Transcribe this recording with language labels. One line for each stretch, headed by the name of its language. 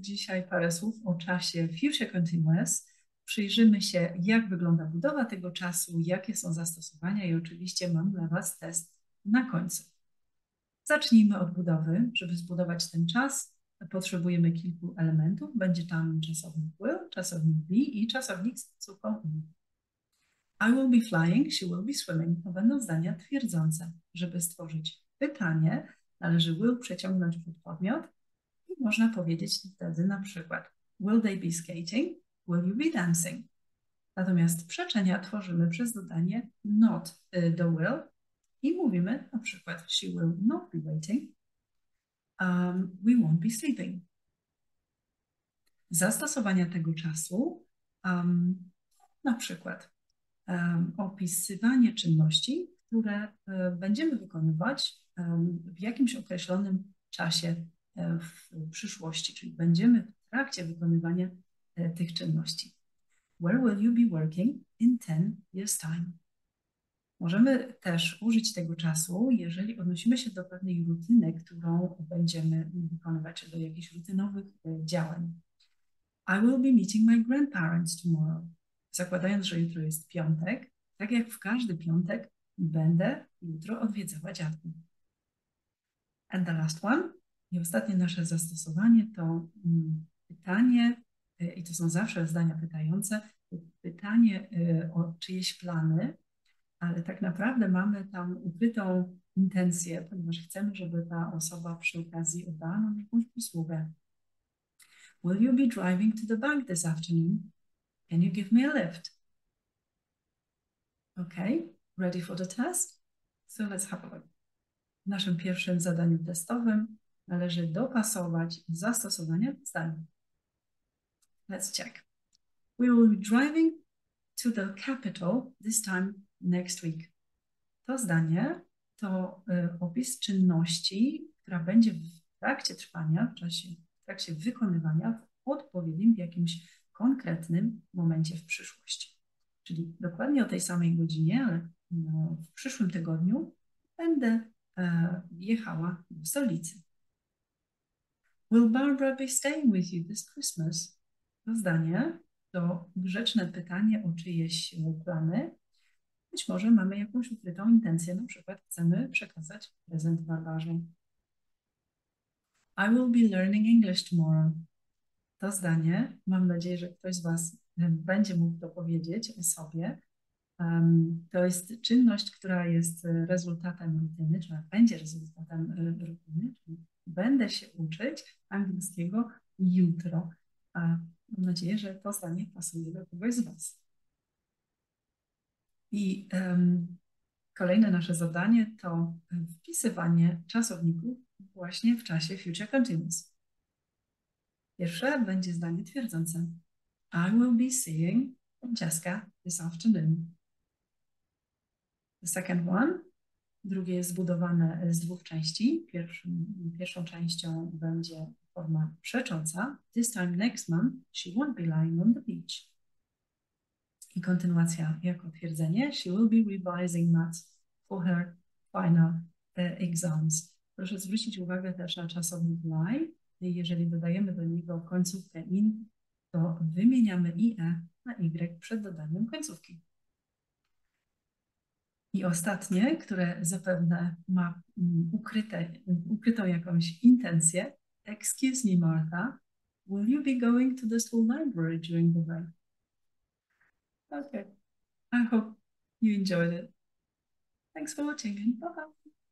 Polish: Dzisiaj parę słów o czasie Future Continuous. Przyjrzymy się, jak wygląda budowa tego czasu, jakie są zastosowania i oczywiście mam dla Was test na końcu. Zacznijmy od budowy. Żeby zbudować ten czas, potrzebujemy kilku elementów. Będzie tam czasownik will, czasownik be i czasownik z cyfrą in.
English: I will be flying, she will be swimming.
Polish: To będą zdania twierdzące. Żeby stworzyć pytanie, należy will przeciągnąć pod podmiot. Można powiedzieć wtedy na przykład
English: will they be skating? Will you be dancing?
Polish: Natomiast przeczenia tworzymy przez dodanie not do will i mówimy na przykład
English: she will not be waiting. We won't be sleeping.
Polish: Zastosowania tego czasu na przykład opisywanie czynności, które będziemy wykonywać w jakimś określonym czasie w przyszłości, czyli będziemy w trakcie wykonywania tych czynności.
English: Where will you be working in 10 years time?
Polish: Możemy też użyć tego czasu, jeżeli odnosimy się do pewnej rutyny, którą będziemy wykonywać, do jakichś rutynowych działań.
English: I will be meeting my grandparents tomorrow.
Polish: Zakładając, że jutro jest piątek, tak jak w każdy piątek, będę jutro odwiedzała dziadkę.
English: And the last one.
Polish: I ostatnie nasze zastosowanie to pytanie, i to są zawsze zdania pytające, pytanie o czyjeś plany, ale tak naprawdę mamy tam ukrytą intencję, ponieważ chcemy, żeby ta osoba przy okazji oddała nam jakąś usługę.
English: Will you be driving to the bank this afternoon? Can you give me a lift? OK, ready for the test? So let's have a look.
Polish: W naszym pierwszym zadaniu testowym należy dopasować zastosowania zdań.
English: Let's check. We will be driving to the capital this time next week.
Polish: To zdanie to opis czynności, która będzie w trakcie trwania, w trakcie wykonywania w odpowiednim, w jakimś konkretnym momencie w przyszłości. Czyli dokładnie o tej samej godzinie, ale w przyszłym tygodniu będę jechała do stolicy.
English: Will Barbara be staying with you this Christmas?
Polish: To zdanie to grzeczne pytanie o czyjeś plany. Być może mamy jakąś ukrytą intencję, na przykład chcemy przekazać prezent Barbarze. I will be learning English tomorrow. To zdanie, mam nadzieję, że ktoś z Was będzie mógł to powiedzieć o sobie. To jest czynność, która jest rezultatem rutyny, czy będzie rezultatem rutyny. Będę się uczyć angielskiego jutro. A mam nadzieję, że to zdanie pasuje do kogoś z Was. I kolejne nasze zadanie to wpisywanie czasowników właśnie w czasie Future Continuous. Pierwsze będzie zdanie twierdzące.
English: I will be seeing Jessica this afternoon. The second one.
Polish: Drugie jest zbudowane z dwóch części. Pierwszą częścią będzie forma przecząca.
English: This time next month she won't be lying on the beach.
Polish: I kontynuacja jako twierdzenie.
English: She will be revising maths for her final exams.
Polish: Proszę zwrócić uwagę też na czasownik lie. Jeżeli dodajemy do niego końcówkę in, to wymieniamy ie na y przed dodaniem końcówki. I ostatnie, które zapewne ma ukrytą jakąś intencję.
English: Excuse me, Martha, will you be going to the school library during the break? Okay, I hope you enjoyed it. Thanks for watching and bye-bye.